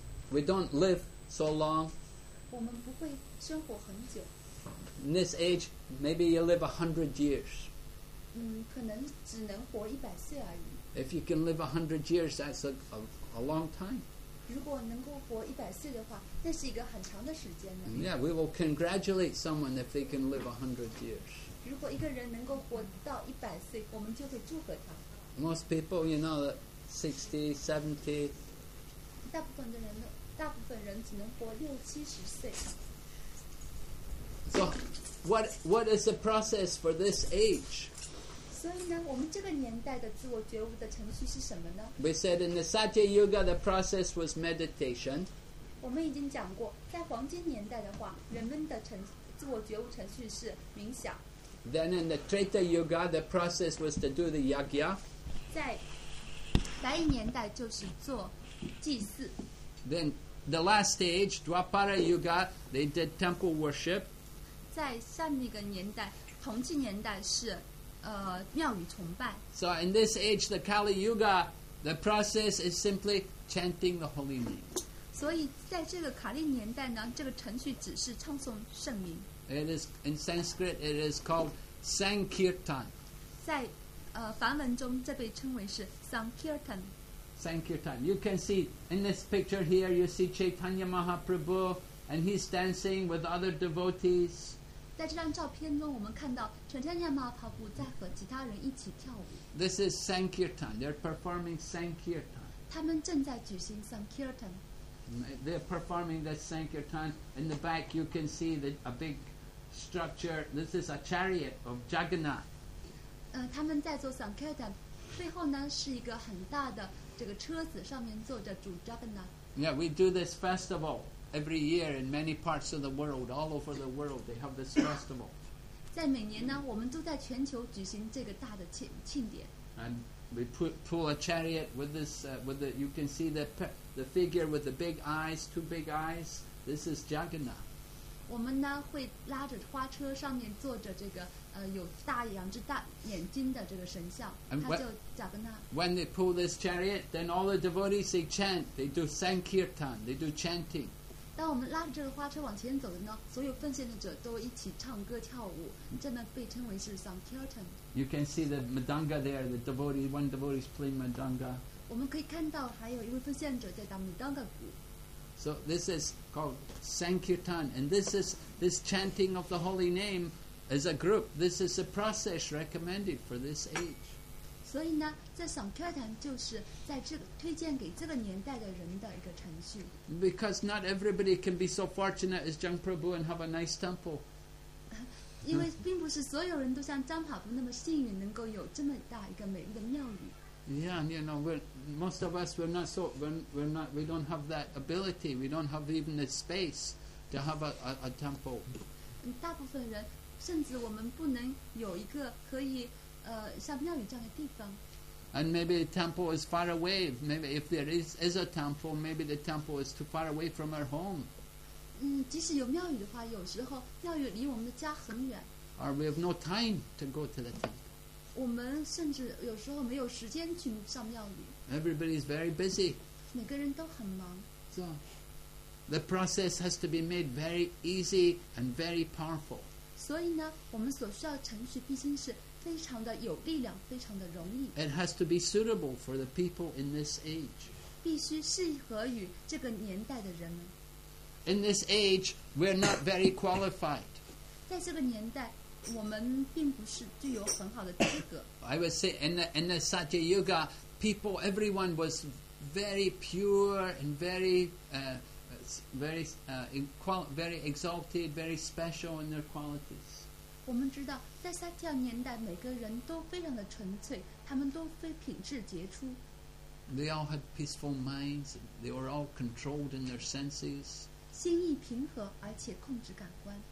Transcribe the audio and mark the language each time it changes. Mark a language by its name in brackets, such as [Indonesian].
[English] We don't live so long. [Chinese] 我们不会生活很久。 [English] In this age, maybe you live 100 years. [Chinese] 可能只能活100岁而已。 [English] If you can live 100 years, that's a long time. [Chinese] 如果能够活100岁的话，那是一个很长的时间呢。 [English] Yeah, we will congratulate someone if they can live 100 years. [Chinese] 如果一个人能够活到100岁，我们就会祝贺他。 [English] Most people, you know, 60, 70. [Chinese] 大部分人只能活60-70岁。 [English] So, what is the process for this age? [Chinese] 所以呢，我们这个年代的自我觉悟的程序是什么呢？ [English] We said in the Satya Yuga, the process was meditation. [Chinese] 我们已经讲过，在黄金年代的话，人们的自我觉悟程序是冥想。 [English] Then in the Treta Yuga, the process was to do the yagya. [Chinese] 在白银年代就是做祭祀。 [English] Then the last stage, Dwapara Yuga, they did temple worship. [Chinese] 在上一个年代，铜器年代是庙宇崇拜。 [English] So in this age, the Kali Yuga, the process is simply chanting the holy name. [Chinese] 所以在这个卡利年代呢，这个程序只是唱诵圣名。 [English] It is in Sanskrit. It is called Sankirtan. [Chinese] 在梵文中，这被称为是 Sankirtan。 [English] Sankirtan. You can see in this picture here. You see Chaitanya Mahaprabhu, and he's dancing with other devotees. [Chinese] 在这张照片中，我们看到 Chaitanya Mahaprabhu 在和其他人一起跳舞。 [English] This is Sankirtan. They're performing Sankirtan. [Chinese] 他们正在举行 Sankirtan. [English] They're performing that Sankirtan. In the back, you can see the, a big structure. This is a chariot of Jagannath. [Chinese] 他们在做 Sankirtan. 背后呢是一个很大的这个车子，上面坐着主 Jagannath. [English] Yeah, we do this festival every year in many parts of the world, all over the world. They have this festival. [Chinese] 在每年呢，我们都在全球举行这个大的庆典。 [English] And we pull a chariot with this, with the. You can see the figure with the big eyes, two big eyes. This is Jagannath. [Chinese] 我们呢会拉着花车，上面坐着这个有大两只大眼睛的这个神像，他叫 Jagannath. [English] When they pull this chariot, then all the devotees they chant, they do Sankirtan, they do chanting. [Chinese] 当我们拉着这个花车往前走的呢，所有奉献的者都一起唱歌跳舞，这呢被称为是 Sankirtan. [English] You can see the madanga there. The devotee, one devotee is playing madanga. [Chinese] 我们可以看到还有一位奉献者在打木当的鼓。 [English] So this is called Sankirtan, and this is this chanting of the holy name as a group. This is a process recommended for this age. [Chinese] 所以呢，这 Sankirtan 就是在这个推荐给这个年代的人的一个程序。 [English] Because not everybody can be so fortunate as Jang Prabhu and have a nice temple. [Chinese] 因为并不是所有人都像张帕布那么幸运，能够有这么大一个美丽的庙宇。 [English] Yeah, you know, most of us we don't have that ability. We don't have even the space to have a temple. [Chinese] 大部分人甚至我们不能有一个可以像庙宇这样的地方。 [English] And maybe the temple is far away. Maybe if there is a temple, maybe the temple is too far away from our home. [Chinese] 即使有庙宇的话，有时候庙宇离我们的家很远。 [English] Or we have no time to go to the temple. [Chinese] 我们甚至有时候没有时间去上庙宇。 [English] Everybody is very busy. [Chinese] 每个人都很忙。 [English] So, the process has to be made very easy and very powerful. [Chinese] 所以呢，我们所需要程序必须是非常的有力量，非常的容易。 [English] It has to be suitable for the people in this age. [Chinese] 必须适合于这个年代的人们。 [English] In this age, we're not very qualified. [Chinese] 在这个年代。我们并不是具有很好的资格。 [English] I would say in the Satya Yuga, people, everyone was very pure and very exalted, very special in their qualities. [Chinese] 我们知道，在萨提亚年代，每个人都非常的纯粹，他们都非品质杰出。 [English] They all had peaceful minds. They were all controlled in their senses. [Chinese] 心意平和，而且控制感官。